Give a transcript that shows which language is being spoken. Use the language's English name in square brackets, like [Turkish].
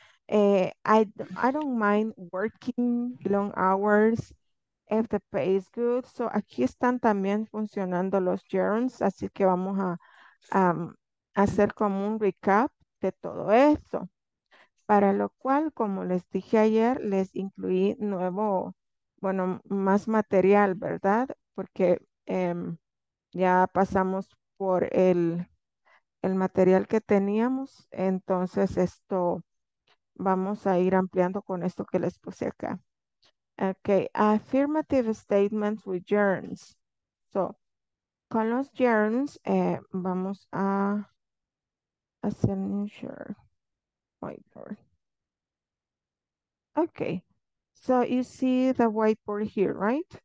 [English] I don't mind working long hours if the pay is good. [Spanish] So aquí están también funcionando los germs, así que vamos a hacer como un recap de todo esto. Para lo cual, como les dije ayer, les incluí nuevo, bueno, más material, ¿verdad? Porque ya pasamos por el material que teníamos. Entonces, esto vamos a ir ampliando con esto que les puse acá. [English] Okay, affirmative statements with gerunds. [Spanish] So, con los gerunds vamos a hacer un share. [English] Whiteboard. Okay, so you see the whiteboard here, right?